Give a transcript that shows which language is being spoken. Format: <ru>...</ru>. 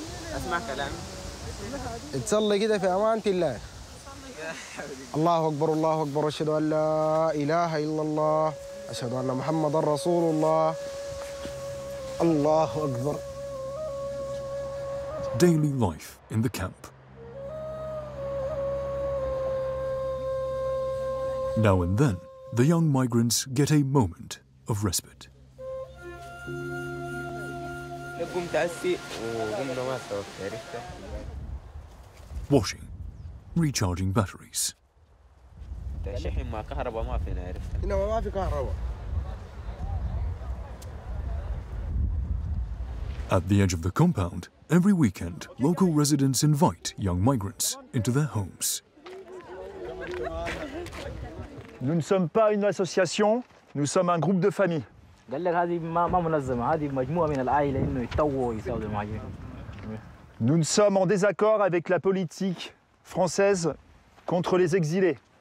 <ar>حق الجماعة اسمع كلامي تصلي كده في امانة الله الله اكبر الله اكبر اشهد ان لا اله الا الله اشهد ان محمد رسول الله الله اكبر</ar> <en>daily life in the camp now and then the young migrants get a moment of respite Washing, recharging batteries. At the edge of the compound, every weekend, local residents invite young migrants into their homes.</en> <fr>Nous ne sommes pas une association, nous sommes un groupe de famille. Nous ne sommes en désaccord avec la politique française contre les exilés.</fr>